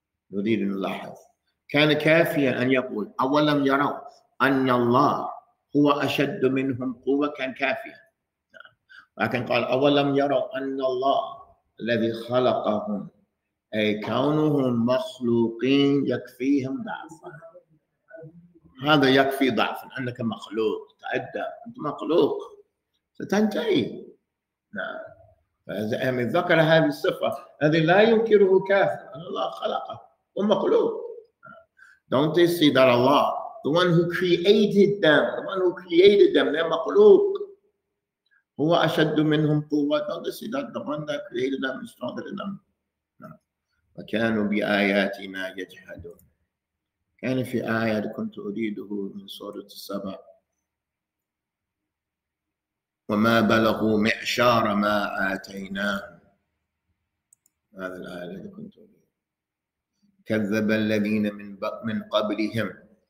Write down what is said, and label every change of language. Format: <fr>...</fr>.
<ar>نريد أن نلاحظ, كان كافيا أن يقول أولم يروا أن الله هو أشد منهم قوة, كان كافيا, لكن قال أولم يروا أن الله الذي خلقهم, أي كونهم مخلوقين يكفيهم ضعفا. هذا يكفي ضعفا, أنك مخلوق, تأدب, أنت مخلوق ستنتهي. نعم, ذكر هذه الصفة، هذه لا ينكره كافر، أن الله خلقه ومخلوق.</ar> <en>Don't they see that Allah, the one who created them, the one who created them, they're مخلوق.</en> <ar>هو أشد منهم قوة.</ar> <en>Don't they see that the one that created them is stronger than them.</en> <ar>وكانوا بآياتنا يجحدون. كان في آية كنت أريده من سورة السبع. وما بلغوا معشار ما آتيناهم. هذه الآية التي كنت أريده. كذب الذين من قبلهم.</ar>